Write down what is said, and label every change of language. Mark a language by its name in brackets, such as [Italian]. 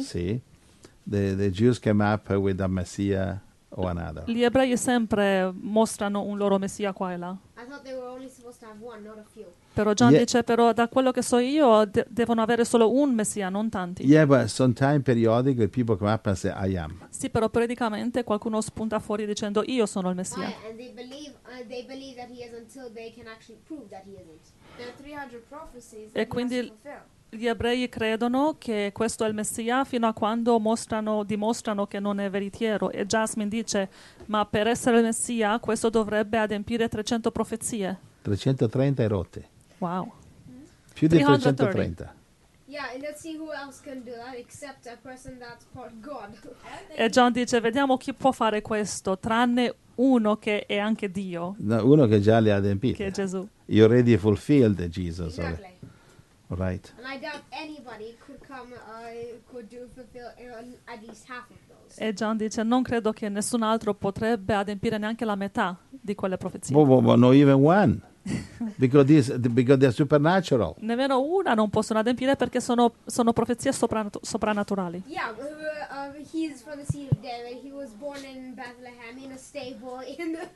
[Italian] sì, [English] the Jews came up with a messiah or another. [Italian] Gli ebrei sempre mostrano un loro messia qua e là. [English] I thought they were only supposed to have one, not a few. [Italian] Però Gian dice, però da quello che so io, devono avere solo un messia, non tanti. [English] Yeah, but sometimes periodically people come up and say, I am. [Italian] Sì, però periodicamente qualcuno spunta fuori dicendo, io sono il messia. [English] Oh, yeah, and they believe that he is until they can actually prove that he isn't. There are 300 prophecies. [Italian] E quindi gli ebrei credono che questo è il messia fino a quando dimostrano che non è veritiero. E Jasmine dice, ma per essere il messia questo dovrebbe adempiere 300 profezie. 330 rotte. [English] Wow. [Italian] Più di 330. [English] Yeah, and let's see who else can do that except a person that's called God. [Italian] E John dice, vediamo chi può fare questo tranne uno che è anche Dio. No, uno che già li ha adempiti. Che è Gesù. [English] You already fulfilled Jesus. Exactly. Right. And I doubt anybody could come could fulfill at least half of those. [Italian] E John dice, non credo che nessun altro potrebbe adempiere neanche la metà di quelle profezie. [English] Well, not even one. because they're supernatural. [Italian] Nemmeno una non possono adempiere perché sono profezie soprannaturali. [English] Yeah, he's from the seed of David. He was born in Bethlehem in a stable.